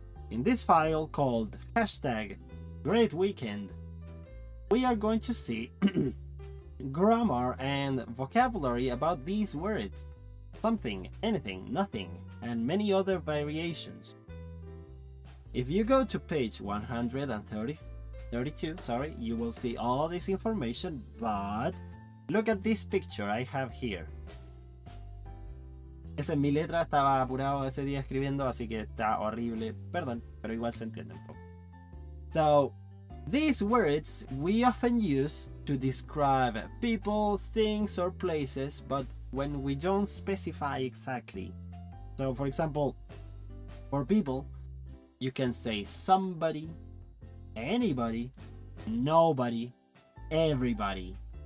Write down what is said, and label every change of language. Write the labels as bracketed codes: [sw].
[en] In this file called hashtag Great Weekend, we are going to see grammar and vocabulary about these words. Something, anything, nothing, and many other variations. If you go to page 132, you will see all this information, but look at this picture I have here. [es] Esa es mi letra, estaba apurado ese día escribiendo, así que está horrible. Perdón, pero igual se entiende un poco. [en] So, these words we often use to describe people, things, or places, but when we don't specify exactly. So, for example, for people, you can say somebody, anybody, nobody, everybody.